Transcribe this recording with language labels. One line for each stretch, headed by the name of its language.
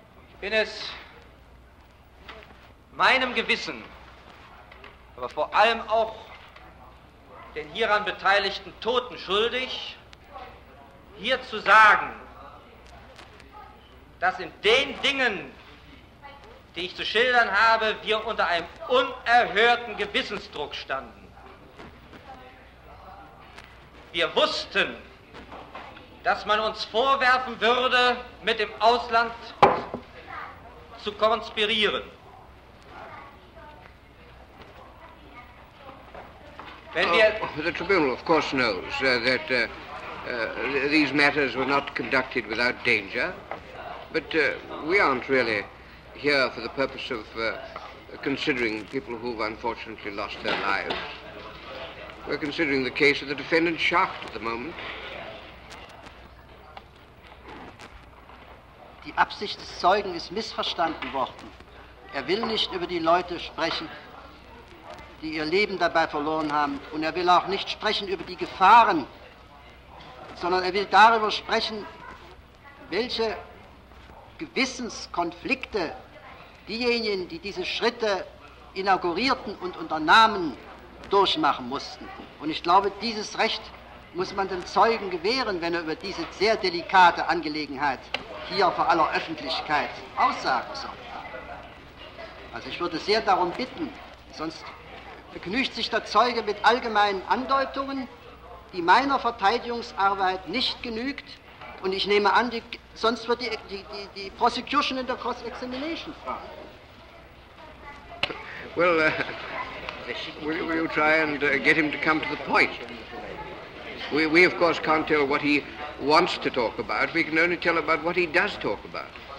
German: Ich bin es meinem Gewissen, aber vor allem auch den hieran beteiligten Toten schuldig, hier zu sagen, dass in den Dingen, die ich zu schildern habe, wir unter einem unerhörten Gewissensdruck standen. Wir wussten, dass man uns vorwerfen würde, mit dem Ausland zu konspirieren.
English: The Tribunal, of course, knows that these matters were not conducted without danger, but we aren't really here for the purpose of considering people who've unfortunately lost their lives. We're considering the case of the defendant Schacht at the moment.
German: Die Absicht des Zeugen ist missverstanden worden. Will nicht über die Leute sprechen, die ihr Leben dabei verloren haben. Und will auch nicht sprechen über die Gefahren, sondern will darüber sprechen, welche Gewissenskonflikte diejenigen, die diese Schritte inaugurierten und unternahmen, durchmachen mussten. Und ich glaube, dieses Recht muss man dem Zeugen gewähren, wenn er über diese sehr delikate Angelegenheit hier vor aller Öffentlichkeit aussagen soll. Also ich würde sehr darum bitten, sonst begnügt sich der Zeuge mit allgemeinen Andeutungen, die meiner Verteidigungsarbeit nicht genügt. Und ich nehme an, sonst wird die Prosecution in der Cross-Examination fragen.
English: Well, will you try and get him to come to the point? We of course can't tell what he wants to talk about. We can only tell about what he does talk about.